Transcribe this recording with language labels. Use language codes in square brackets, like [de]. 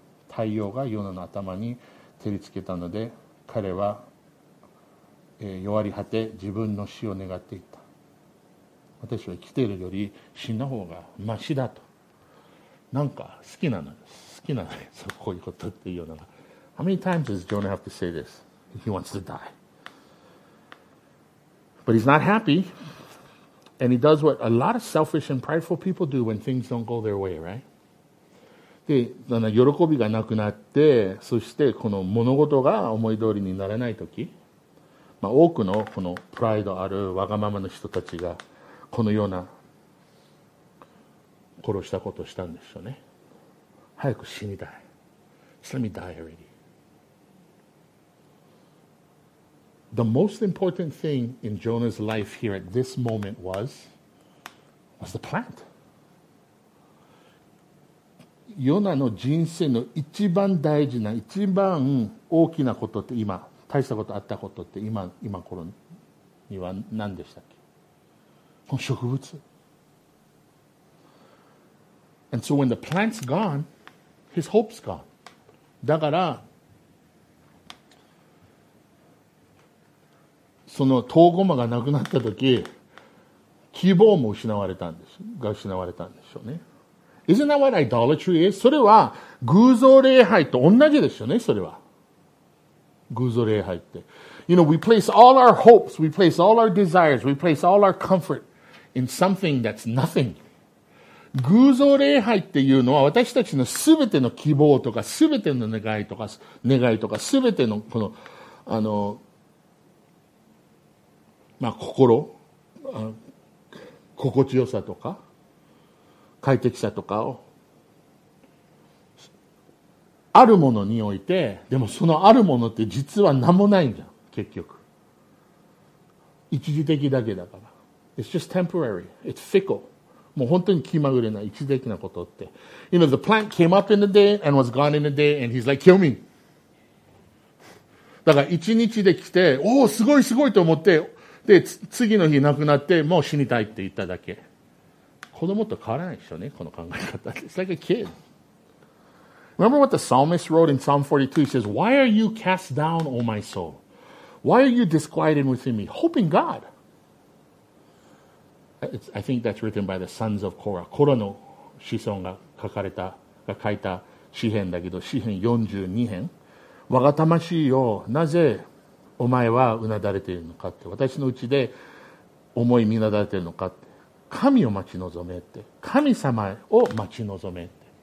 [ja] 太陽がヨナの頭に照りつけたので彼は、弱り果て自分の死を願っていた。私は生きているより死んだ方がマシだと。なんか好きなの、好きなの、そうこういうことっていうのが。 [en] How many times does Jonah have to say this? He wants to die. But he's not happy. And he does what a lot of selfish and prideful people do when things don't go their way, right? [ja] で、あの、喜びがなくなって、そしてこの物事が思い通りにならないとき、まあ、多くのこのプライドあるわがままの人たちがこのような殺したことをしたんでしょうね。早く死にたい。 [en] Let me die already. The most important thing in Jonah's life here at this moment was the plant. [ja] ヨナの人生の一番大事な、一番大きなことって今、大したことあったことって今頃には何でしたっけ? この植物。 [en] And so when the plant's gone, his hope's gone. [ja] だから、その唐ゴマがなくなった時、希望も失われたんです。が失われたんでしょうね。 [en] Isn't that what idolatry is? [ja] それは偶像礼拝と同じですよね、それは。偶像礼拝って。 [en] You know, we place all our hopes, we place all our desires, we place all our comfort in something that's nothing. [ja] 偶像礼拝っていうのは私たちの全ての希望とか、全ての願いとか、全てのこの、あの、まあ、心、心地よさとか快適さとかをあるものにおいて、でもそのあるものって実は何もないんじゃん、結局一時的だけだから。 [en] It's just temporary. It's fickle. [ja] もう本当に気まぐれな一時的なことって。 [en] You know, the plant came up in the day and was gone in the day and he's like, kill me. [ja] だから一日で来て、おお、すごいすごいと思ってで次の日亡くなってもう死にたいって言っただけ。子供と変わらないでしょうね、この考え方。 [en] It's like a kid. Remember what the psalmist wrote in Psalm 42? He says, Why are you cast down, O my soul? Why are you disquieted within me? Hope in God. I think that's written by the sons of Korah. [ja] Korah の子孫が書かれた、が書いた詩編だけど、詩編42編。我が魂よ、なぜお前はうなだれているのかって。私のうちで思い見なだれているのかって。神を待ち望めって。神様を待ち望めって。